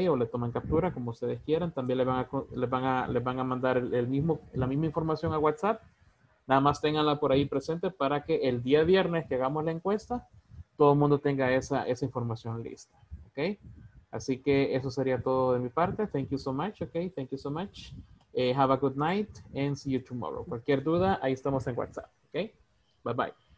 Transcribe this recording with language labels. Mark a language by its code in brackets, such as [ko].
[es] O le toman captura, como ustedes quieran. También les van a mandar la misma información a WhatsApp. Nada más ténganla por ahí presente para que el día viernes que hagamos la encuesta, todo el mundo tenga esa información lista, ¿ok? Así que eso sería todo de mi parte. [en] Thank you so much, ¿ok? Thank you so much. Have a good night and see you tomorrow. [es] Cualquier duda, ahí estamos en WhatsApp, ¿ok? Bye-bye.